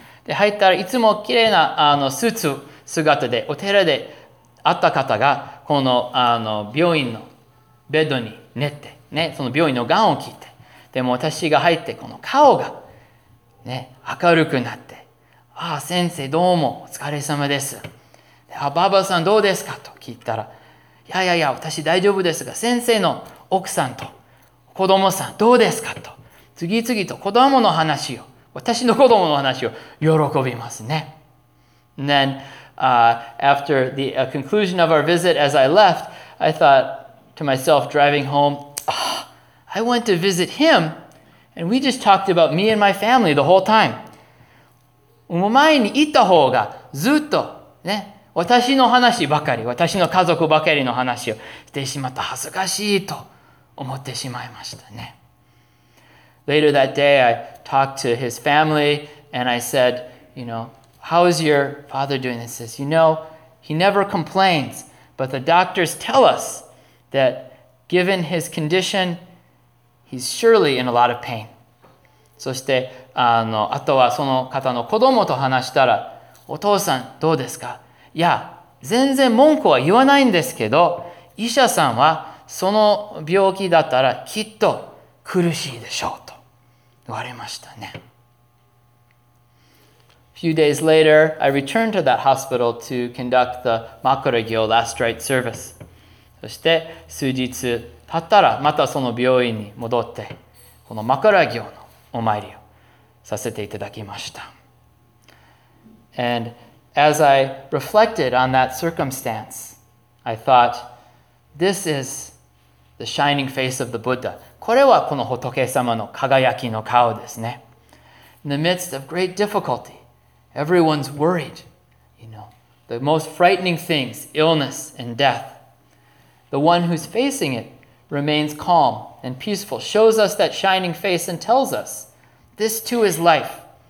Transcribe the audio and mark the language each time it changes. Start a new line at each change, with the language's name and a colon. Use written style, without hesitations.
Japanese: で、入ったらいつも綺麗なスーツ姿でお寺で会った方が、この、病院のベッドに寝て、ね、その病院のガンを着て、でも私が入って、この顔が、ね、明るくなって、ああ、先生どうも、お疲れ様です。で、あ、バーバーさんどうですかと聞いたら、いやいやいや、私大丈夫ですが、先生の奥さんと子供さんどうですかと、次々と子供の話を、私の子供の話を喜びますね。
English: Then, after the conclusion of our visit, as I left, I thought to myself, driving home, oh, I went to visit him, and we just talked about me and my family the whole time.
Japanese: お前に行った方がずっとね、私の話ばかり、私の家族ばかりの話をしてしまった、恥ずかしいと思ってしまいましたね。
English: Later that day, I talked to his family, and I said, you know,How is your father doing? He says, you know, he never complains, but the doctors tell us that given his condition, he's surely in a lot of pain.
Japanese: そしてあとはその方の子供と話したら、お父さんどうですか？いや、全然文句は言わないんですけど、医者さんはその病気だったらきっと苦しいでしょうと言われましたね。
English: Few days later, I returned to that hospital to conduct the Makuragyo last rite service.
Japanese: そして数日経ったらまたその病院に戻ってこの Makuragyo のお参りをさせていただきました。
English: And as I reflected on that circumstance, I thought, this is the shining face of the Buddha.
Japanese: これはこの仏様の輝きの顔ですね。
English: In the midst of great difficulty,Everyone's worried, you know, the most frightening things, illness and death. The one who's facing it remains calm and peaceful, shows us that shining face and tells us, this too is life.